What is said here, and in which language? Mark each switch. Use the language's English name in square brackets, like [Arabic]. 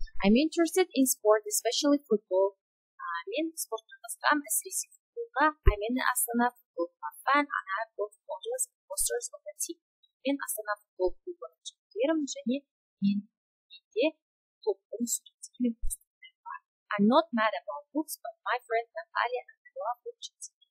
[English] I'm interested in sport, especially football. [Kazakh] Мен спортқа қызығамын, әсіресе футболға. [English] I'm in Astana [Kazakh] футбол клубын, [English] and I have both photos and posters of the team. [Kazakh] Мен Астана футбол клубын жүктерімін және менде топтың суреттері мен постерлері бар. [English] I'm not mad about books, but my friend Natalia and I love books.